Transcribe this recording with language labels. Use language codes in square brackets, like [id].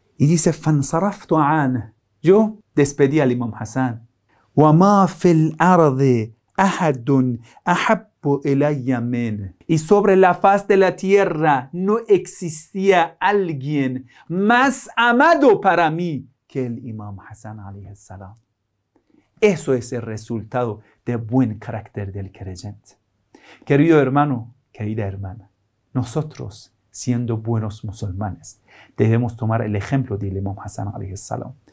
[es] Y dice [ar] فانصرفت عن. [es] Yo despedí al Imam Hassan. [ar] وما في الأرض أحد أحب إلي من. [es] Y sobre la faz de la tierra no existía alguien más amado para mí que el Imam Hassan alayhi salam. Eso es el resultado de buen carácter del creyente. Querido hermano, querida hermana, nosotros, siendo buenos musulmanes, debemos tomar el ejemplo del Imam Hassan alayhi salam.